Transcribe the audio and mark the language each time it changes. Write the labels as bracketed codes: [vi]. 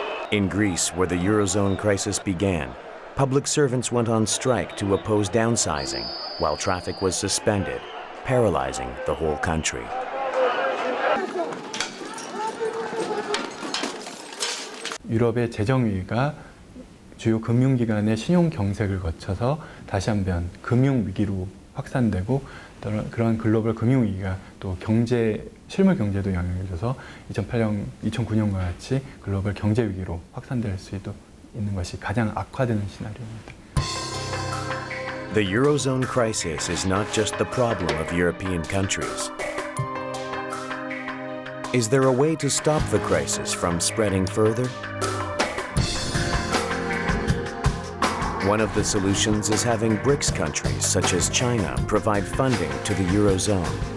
[en] In Greece, where the Eurozone crisis began, public servants went on strike to oppose downsizing, while traffic was suspended, paralyzing the whole country. [ko] Europe's 재정 위기가 주요 금융기관의 신용 경색을 거쳐서 다시 한번 금융 위기로 확산되고 그런 글로벌 금융 위기가 또 경제 실물 경제도 영향을 줘서 2008년, 2009년과 같이 글로벌 경제 위기로 확산될 수도 있는 것이 가장 악화되는 시나리오입니다. [en] The Eurozone crisis is not just the problem of European countries. Is there a way to stop the crisis from spreading further? One of the solutions is having BRICS countries such as China provide funding to the Eurozone.